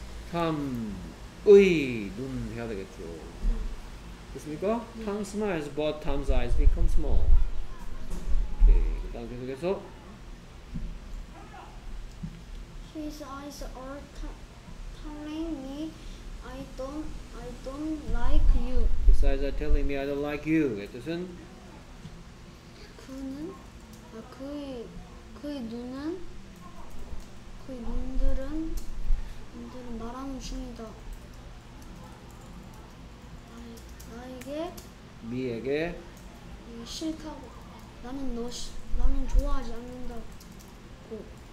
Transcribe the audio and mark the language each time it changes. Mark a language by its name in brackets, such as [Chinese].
[Korean] 탐의 눈 해야 되겠죠. 됐습니까? [English] Tom smiles but Tom's eyes become small. [Korean] 오케이, 그 다음 계속해서 [English] His eyes are telling me I don't like you. His eyes are telling me I don't like you. [Korean] 그 뜻은? 그는? 아, 그의 눈들은 말하는 중이다. 나에게 미에게 싫다고 나는 너 나는 좋아하지 않는다고